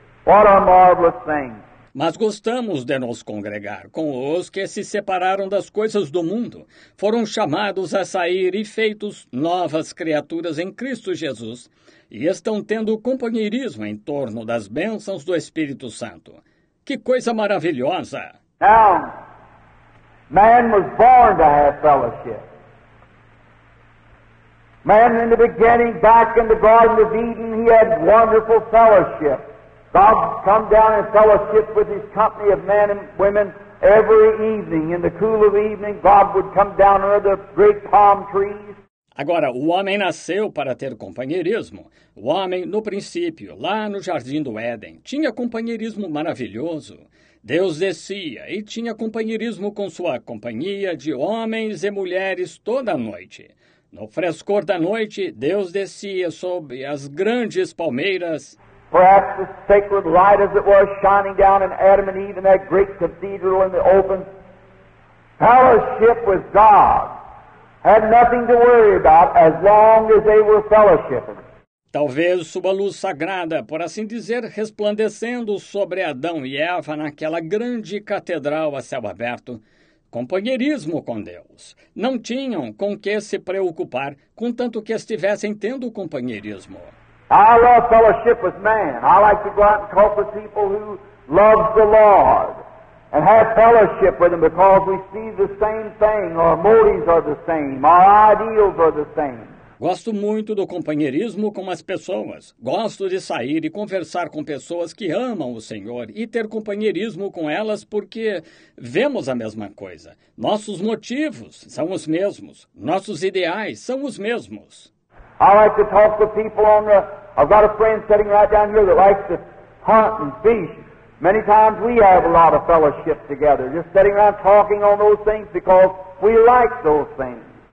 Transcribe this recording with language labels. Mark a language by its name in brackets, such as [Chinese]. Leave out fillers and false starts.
[English] What a marvelous thing. [Portuguese] Mas gostamos de nos congregar com os que se separaram das coisas do mundo, foram chamados a sair e feitos novas criaturas em Cristo Jesus e estão tendo companheirismo em torno das bênçãos do Espírito Santo. Que coisa maravilhosa! [English] Now, man was born to have fellowship. Man in the beginning, back in the Garden of Eden, he had wonderful fellowship. God come down and fellowship with his company of men and women every evening. In the cool of the evening, God would come down under the great palm trees. [Portuguese] Agora, o homem nasceu para ter companheirismo. O homem, no princípio, lá no Jardim do Éden, tinha companheirismo maravilhoso. Deus descia e tinha companheirismo com sua companhia de homens e mulheres toda noite. No frescor da noite, Deus descia sob as grandes palmeiras. [English] Perhaps the sacred light as it was shining down in Adam and Eve in that great cathedral in the open. Fellowship with God had nothing to worry about as long as they were fellowshipping. [Portuguese] Talvez sua luz sagrada, por assim dizer, resplandecendo sobre Adão e Eva naquela grande catedral a céu aberto. Companheirismo com Deus. Não tinham com que se preocupar, contanto que estivessem tendo companheirismo. [English] I love fellowship with man. I like to go out and talk with people who love the Lord and have fellowship with them because we see the same thing, our motives are the same, our ideals are the same. [Portuguese] Gosto muito do companheirismo com as pessoas. Gosto de sair e conversar com pessoas que amam o Senhor e ter companheirismo com elas porque vemos a mesma coisa. Nossos motivos são os mesmos. Nossos ideais são os mesmos. [English] I like to talk to people on the... I've got a friend sitting right down here that likes to hunt and fish. Many times we have a lot of fellowship together, just sitting around talking on those things because we like those things.